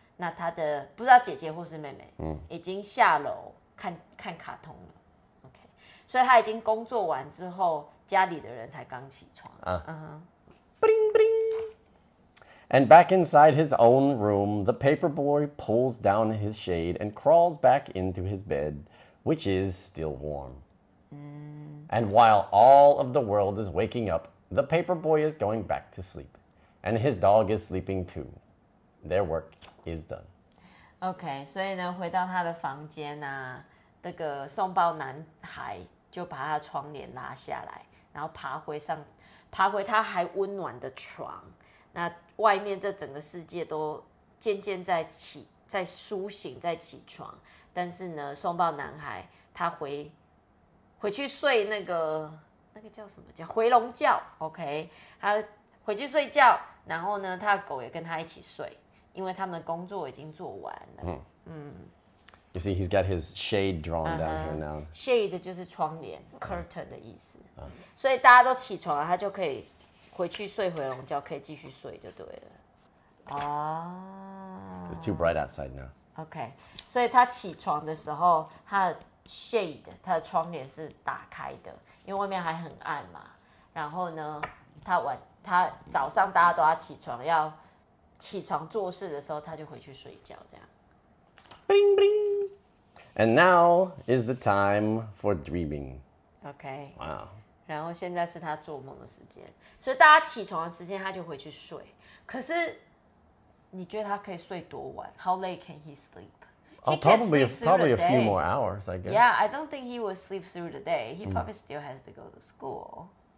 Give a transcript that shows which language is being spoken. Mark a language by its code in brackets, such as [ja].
[zh] 那他的，不知道姐姐或是妹妹，已经下楼。看看卡通了 ，OK。所以他已经工作完之后，家里的人才刚起床。 [en] Bling bling. And back inside his own room, the paper boy pulls down his shade and crawls back into his bed, which is still warm. And while all of the world is waking up, the paper boy is going back to sleep, and his dog is sleeping too. Their work is done. [zh] Okay, 所以呢，回到他的房间啊，那个送报男孩就把他的窗帘拉下来，然后爬回他还温暖的床。那外面这整个世界都渐渐在苏醒，在起床。但是呢，送报男孩他回去睡那个叫什么叫回笼觉 ？OK， 他回去睡觉，然后呢，他的狗也跟他一起睡。因为他们的工作已经做完了。 [en] You see, he's got his shade drawn down here now. [zh] Shade 就是窗帘 ，curtain 的意思。所以大家都起床了，他就可以回去睡回笼觉，可以继续睡就对了。 [en] It's too bright outside now. [zh] Okay, 所以他起床的时候，他的 shade 他的窗帘是打开的，因为外面还很暗嘛。然后呢，他早上大家都要起床要。起床做事的时候，他就回去睡觉，这样。 [en] Bling bling. And now is the time for dreaming. Okay. Wow. [zh] 然后现在是他做梦的时间，所以大家起床的时间，他就回去睡。可是，你觉得他可以睡多晚 ？ How late can he sleep? [en] Probably a few more hours, I guess. Yeah, I don't think he will sleep through the day. He probably still has to go to school.